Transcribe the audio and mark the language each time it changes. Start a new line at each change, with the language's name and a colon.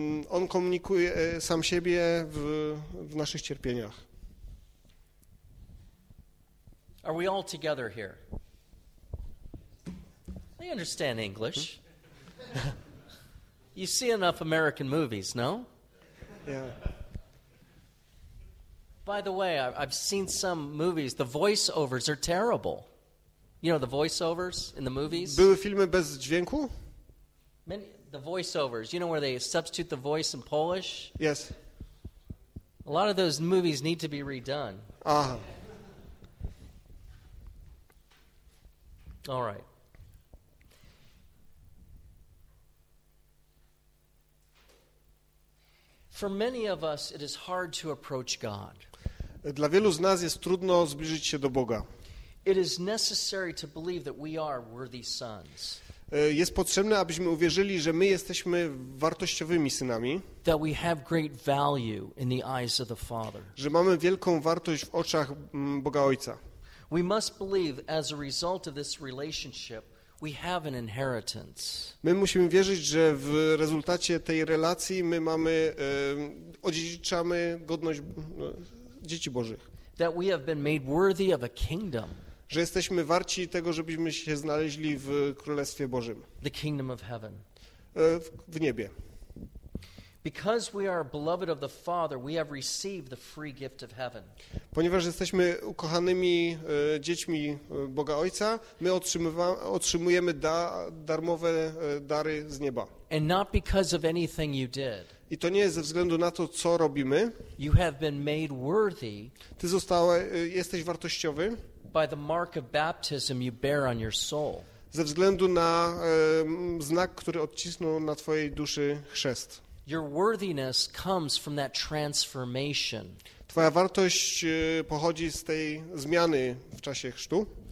Polish: On komunikuje sam siebie w naszych cierpieniach.
English: Are we all together here? I understand English. You see enough American movies, no? Yeah. By the way, I've seen some movies. The voiceovers are terrible. You know the voiceovers in the movies?
Polish: Były filmy bez dźwięku?
English: Many, the voiceovers. You know where they substitute the voice in Polish? Yes. A lot of those movies need to be redone. Aha. All right. For many of us, it is hard to approach God.
Polish: Dla wielu z nas jest trudno zbliżyć się do Boga.
English: It is necessary to believe that we are worthy sons.
Polish: Jest potrzebne, abyśmy uwierzyli, że my jesteśmy wartościowymi synami.
English: That we have great value in the eyes of the Father.
Polish: Że mamy wielką wartość w oczach Boga Ojca.
English: We must believe as a result of this relationship. We have an inheritance.
Polish: My musimy wierzyć, że w rezultacie tej relacji my mamy odziedziczamy godność dzieci Bożych.
English: That we have been made worthy of a kingdom.
Polish: Że jesteśmy warci tego, żebyśmy się znaleźli w Królestwie Bożym.
English: The kingdom of heaven.
Polish: W niebie.
English: Because we are beloved of the Father, we have received the free gift of heaven.
Polish: Ponieważ jesteśmy ukochanymi dziećmi Boga Ojca, my otrzymujemy darmowe dary z nieba.
English: And not because of anything you did.
Polish: I to nie jest ze względu na to, co robimy.
English: You have been made worthy.
Polish: Ty zostałeś, jesteś wartościowy.
English: By the mark of baptism you bear on your soul.
Polish: Ze względu na znak, który odcisnął na twojej duszy chrzest.
English: Your worthiness comes from that transformation.
Polish: Twoja wartość pochodzi z tej zmiany w czasie chrztu.